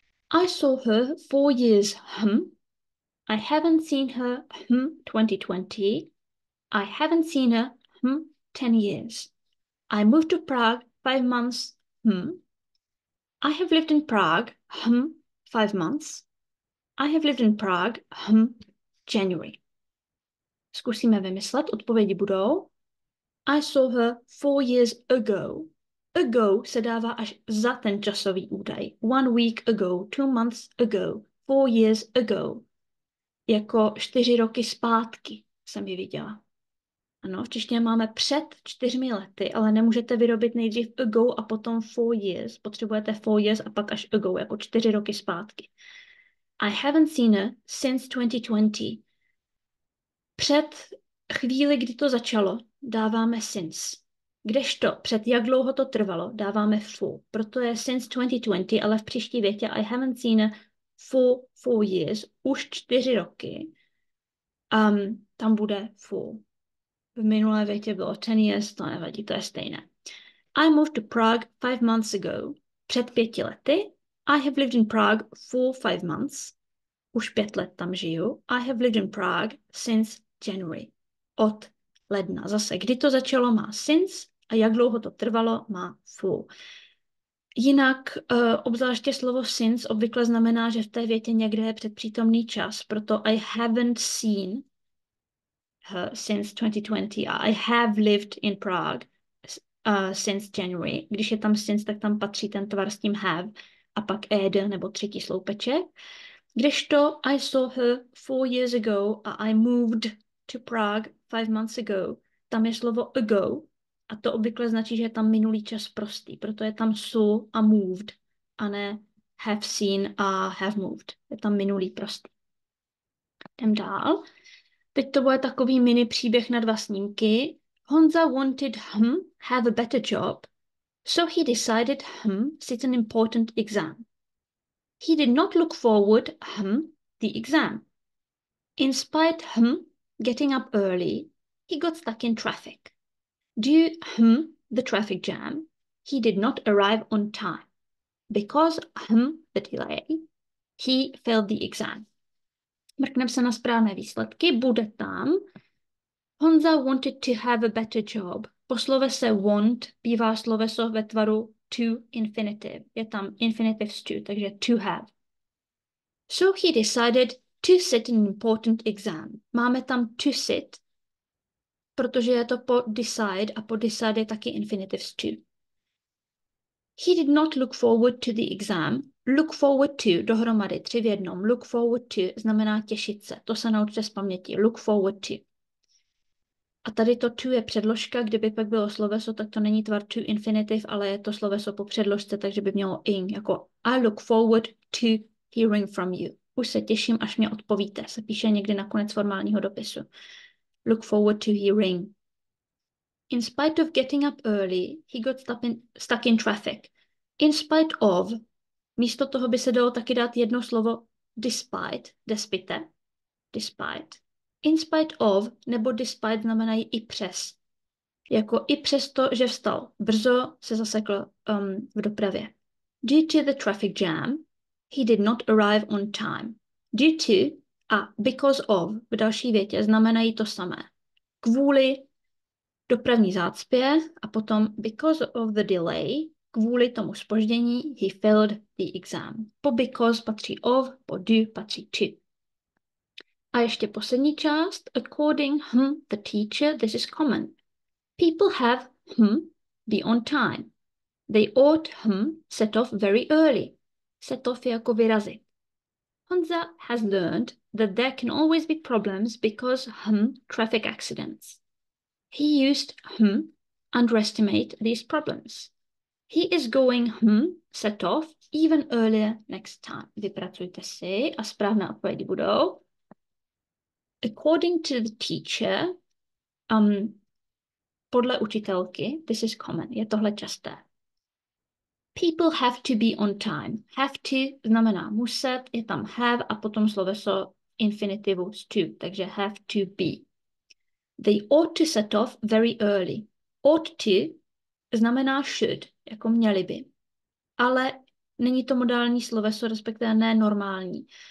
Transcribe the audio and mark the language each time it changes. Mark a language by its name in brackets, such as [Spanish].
[English] I saw her 4 years, I haven't seen her, 2020. I haven't seen her, 10 years. I moved to Prague 5 months, I have lived in Prague, 5 months. I have lived in Prague, January. [Czech] Zkusíme vymyslet, odpovědi budou. [English] I saw her 4 years ago. [Czech] Ago se dává až za ten časový údaj. [English] 1 week ago, 2 months ago, 4 years ago. [Czech] Jako 4 roky zpátky jsem ji viděla. Ano, v češtině máme před 4 lety, ale nemůžete vyrobit nejdřív ago a potom 4 years. Potřebujete 4 years a pak až ago, jako 4 roky zpátky. [English] I haven't seen her since 2020. [Czech] Před chvíli, kdy to začalo, dáváme since. Kdežto před jak dlouho to trvalo, dáváme for. Proto je since 2020, ale v příští větě [English] I haven't seen her for 4 years, [Czech] už 4 roky. Tam bude for. V minulé větě bylo 10 years, to nevadí, to je stejné. [English] I moved to Prague 5 months ago. [Czech] Před 5 lety. [English] I have lived in Prague for 5 months. [Czech] Už 5 let tam žiju. [English] I have lived in Prague since January. [Czech] Od ledna. Zase, kdy to začalo, má since a jak dlouho to trvalo, má full. Jinak, obzvláště slovo since obvykle znamená, že v té větě někde je předpřítomný čas, proto [English] I haven't seen her since 2020 [Czech] a [English] I have lived in Prague since January. [Czech] Když je tam since, tak tam patří ten tvar s tím have a pak ed nebo třetí sloupeček. Kdežto [English] I saw her 4 years ago [Czech] a [English] I moved to Prague 5 months ago. [Czech] Tam je slovo ago a to obvykle značí, že je tam minulý čas prostý. Proto je tam saw a moved a ne have seen a have moved. Je tam minulý prostý. Jdem dál. Teď to bude takový mini příběh na dva snímky. [English] Honza wanted have a better job, so he decided sit an important exam. He did not look forward the exam. In spite getting up early, he got stuck in traffic. Due the traffic jam, he did not arrive on time. Because the delay, he failed the exam. [Czech] Mrkneme se na správné výsledky. Bude tam. [English] Honza wanted to have a better job. [Czech] Po slovese want bývá sloveso ve tvaru to infinitive. Je tam infinitive s to, takže to have. [English] So he decided to sit an important exam. [Czech] Máme tam to sit, protože je to po decide a po decide je taky infinitive s to. [English] He did not look forward to the exam. [Czech] Look forward to, dohromady, tři v jednom. Look forward to znamená těšit se. To se naučte z paměti. Look forward to. A tady to to je předložka, kdyby pak bylo sloveso, tak to není tvar to infinitive, ale je to sloveso po předložce, takže by mělo ing, jako [English] I look forward to hearing from you. [Czech] Už se těším, až mě odpovíte. Se píše někdy na konec formálního dopisu. [English] Look forward to hearing. In spite of getting up early, he got stuck in traffic. [Czech] In spite of, místo toho by se dalo taky dát jedno slovo despite, despite, despite. In spite of, nebo despite znamenají i přes. Jako i přes to, že vstal brzo, se zasekl v dopravě. [English] Due to the traffic jam, he did not arrive on time. [Czech] Due to a because of v další větě znamenají to samé. Kvůli dopravní zácpě a potom [English] because of the delay, [Czech] kvůli tomu zpoždění, [English] he failed the exam. [Czech] Po because patří of, po due patří to. A ještě poslední část. [English] According the teacher, this is common. People have be on time. They ought set off very early. [Czech] Set off je jako vyrazit. [English] Honza has learned that there can always be problems because traffic accidents. He used underestimate these problems. He is going set off even earlier next time. [Czech] Vypracujte si a správné odpovědi budou. [English] According to the teacher, [Czech] podle učitelky, [English] this is common, [Czech] je tohle časté. [English] People have to be on time. [Czech] Have to znamená muset, je tam have a potom sloveso infinitivu s to, takže have to be. [English] They ought to set off very early. [Czech] Ought to znamená should, jako měli by. Ale není to modální sloveso, respektive ne normální.